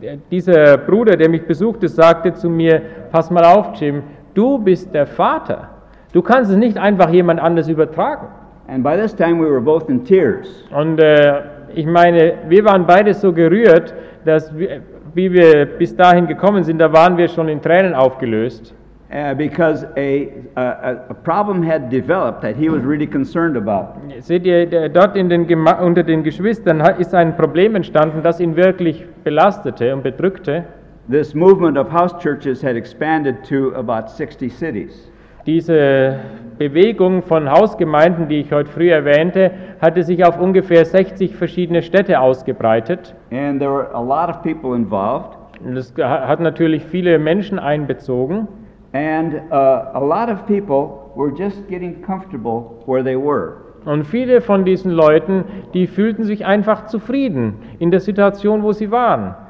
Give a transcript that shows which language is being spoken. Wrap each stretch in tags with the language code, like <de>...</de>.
<de>Dieser Bruder, der mich besuchte, sagte zu mir, pass mal auf, Jim, du bist der Vater. Du kannst es nicht einfach jemand anders übertragen.</de> <en>And by this time we were both in tears.</en> <de>Und ich meine, wir waren beide so gerührt, dass wie wir bis dahin gekommen sind, da waren wir schon in Tränen aufgelöst.</de> <en>Because a problem had developed that he was really concerned about.</en> <de>Seht ihr, dort in den unter den Geschwistern ist ein Problem entstanden, das ihn wirklich belastete und bedrückte.</de> <en>This movement of house churches had expanded to about 60 cities.</en> <de>Diese Bewegung von Hausgemeinden, die ich heute früh erwähnte, hatte sich auf ungefähr 60 verschiedene Städte ausgebreitet.</de> <en>And there were a lot of people involved.</en> <de>Und es hat natürlich viele Menschen einbezogen.</de> <en>And a lot of people were just getting comfortable where they were.</en> <de>Und viele von diesen Leuten, die fühlten sich einfach zufrieden in der Situation, wo sie waren.</de>